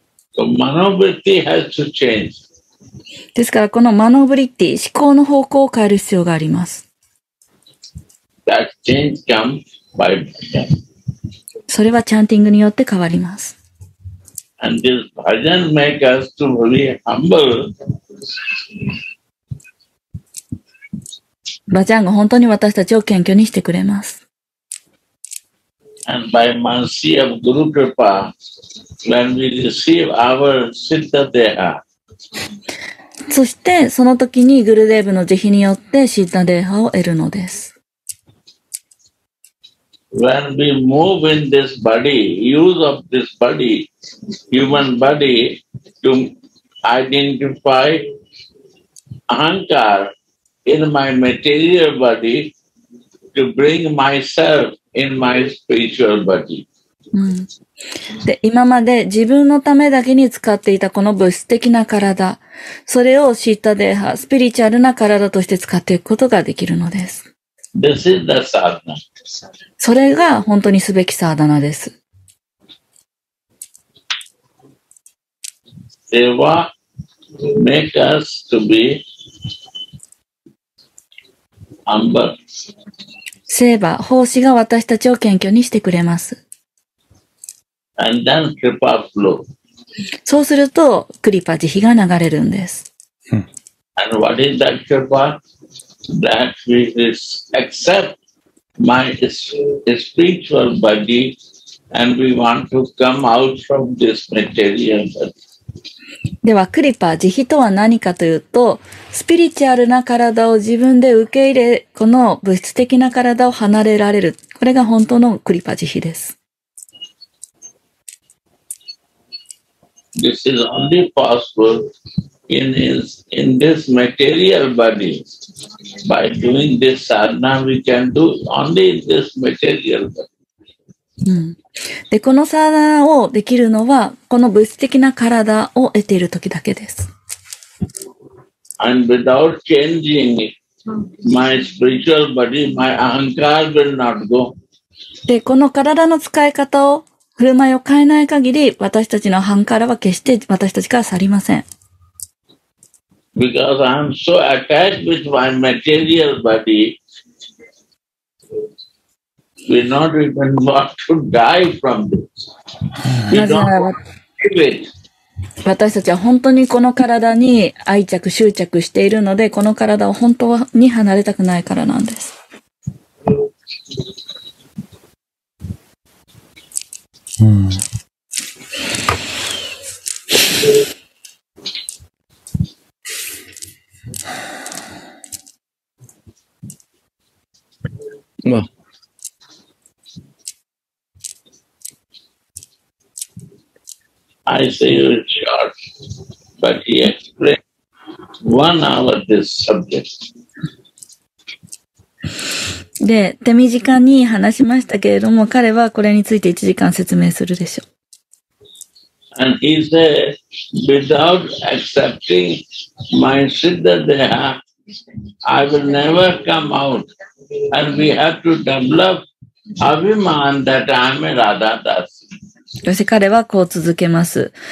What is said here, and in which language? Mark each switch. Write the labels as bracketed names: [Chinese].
[English] So, manovritti has to change. [Japanese] ですからこのマノブリッティ、思考の方向を変える必要があります。 [English] That change comes by bhajan. [Japanese] それはチャンティングによって変わります。 [English] And this bhajan makes us to really humble. [Japanese] バジャンが本当に私たちを謙虚にしてくれます。 [English] And by mercy of Guru Kripa, when we receive our Siddha Deha. [Japanese] そしてその時にグルデーブの慈悲によってシッダデーハを得るのです。 [English] When we move in this body, use of this body, human body, to identify ahankar in my material body, to bring myself in my spiritual body.、 [Japanese] うん、で今まで自分のためだけに使っていたこの物質的な体、それをシッタデーハ、スピリチュアルな体として使っていくことができるのです。 [English] This is the sadhana. [Japanese] それが本当にすべきサーダナです。 [English] Seva make us to be humble. [Japanese] Seva, 奉仕が私たちを謙虚にしてくれます。 [English] And then Kripa flow. [Japanese] そうすると、クリパ慈悲が流れるんです。 [English] And what is that Kripa? That we accept my spiritual body and we want to come out from this material body. [Japanese] では、クリパ、慈悲とは何かというと、スピリチュアルな体を自分で受け入れ、この物質的な体を離れられる。これが本当のクリパ慈悲です。 [English] This is only possible. In this material body, by doing this sadhana, we can do only in this material body.、 [Japanese] うん、で、このサーダナをできるのは、この物質的な体を得ている時だけです。 [English] And without changing my spiritual body, my ahankar will not go. [Japanese] で、この体の使い方を、振る舞いを変えない限り、私たちのアハンカーラは決して私たちから去りません。 [English] Because I'm so attached with my material body, we not even want to die from this. We don't want to give it. [Japanese] 私たちは本当にこの体に愛着、執着しているので、この体を本当に離れたくないからなんです。まあ、 [English] I say you're short, but he explained 1 hour this subject. [Japanese] で、手短に話しましたけれども、彼はこれについて1時間説明するでしょう。 [English] And he said, without accepting my Siddha Deha, I will never come out. And we have to develop Abhiman that I am a Radha Dasi. [Japanese] そして彼はこう続けます。